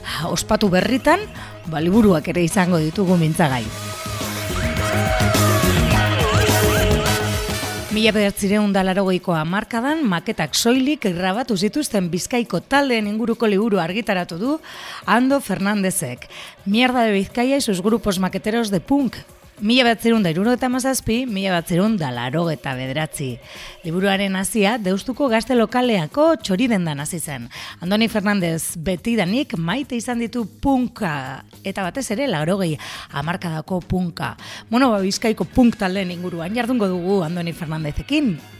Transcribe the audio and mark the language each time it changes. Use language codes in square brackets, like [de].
[eu] Ospatu berritan, ba, liburuak ere izango ditugu mintzagai. Mila bederatziehun eta laurogeiko hamarkadan maketak soilik grabatu zituzten Bizkaiko taldeen inguruko liburu argitaratu du Ando Fernandezek. [es] Mierda de Bizkaia y sus grupos maqueteros de punk. [eu] 1967, 1989. Liburuaren hasia Deustuko gazte lokaleako txoridendan hasi zen. Andoni Fernandez betidanik maite izan ditu punka, eta batez ere laurogei hamarkadako punka. Bueno, Bizkaiko punk taldeen inguruan jardungo dugu Andoni Fernandezekin.